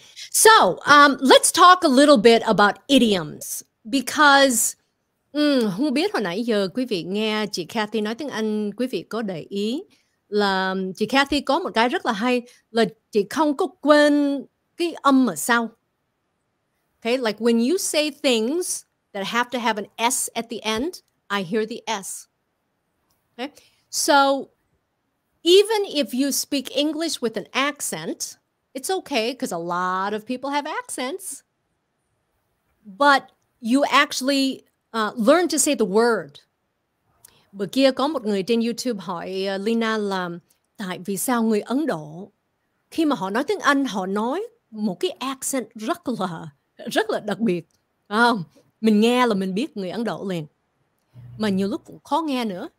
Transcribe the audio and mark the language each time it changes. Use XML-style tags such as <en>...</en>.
<en>So, let's talk a little bit about idioms because</en> <vi>không biết hồi nãy giờ quý vị nghe chị Cathy nói tiếng Anh, quý vị có để ý là chị Kathy có một cái rất là hay là chị không có quên cái âm ở sau.</vi> <en>Okay, like when you say things that have to have an S at the end, I hear the S. Okay, so even if you speak English with an accent, it's okay because a lot of people have accents. But you actually learn to say the word.</en> <vi>Bữa kia có một người trên YouTube hỏi Lina là tại vì sao người Ấn Độ khi mà họ nói tiếng Anh họ nói một cái accent rất là đặc biệt. Mình nghe là mình biết người Ấn Độ liền. Mà nhiều lúc cũng khó nghe nữa.</vi>